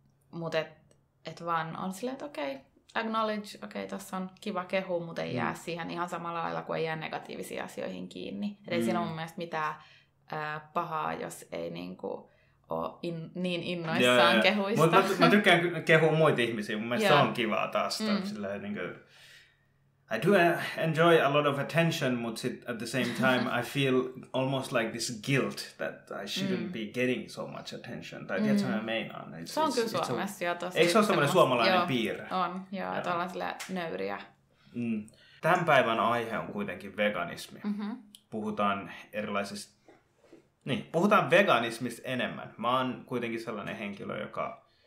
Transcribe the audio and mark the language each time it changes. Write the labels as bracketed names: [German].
[Finnish] Mutta et vaan on silleen, että okei, acknowledge, okei, tossa on kiva kehu, mutta ei jää siihen ihan samalla lailla, kuin ei jää negatiivisiin asioihin kiinni. Et ei siinä ole mun mielestä mitään pahaa, jos ei niinku niin innoissaan kehuista. Mä tykkään kehua muita ihmisiä, mun mielestä se on kivaa taas. Silleen niinku... [English] I do enjoy a lot of attention, but at the same time, I feel almost like this guilt that I shouldn't be getting so much attention. [Finnish] Tai tietysti mä meinaan. Se on kyllä Suomessa, joo. Eikö se ole semmoinen suomalainen piirre? On, joo. Että ollaan silleen nöyriä. Mm. Tämän päivän aihe on kuitenkin veganismi. Mm-hmm. Puhutaan erilaisista... Niin, puhutaan veganismista enemmän. Mä oon kuitenkin sellainen henkilö, joka...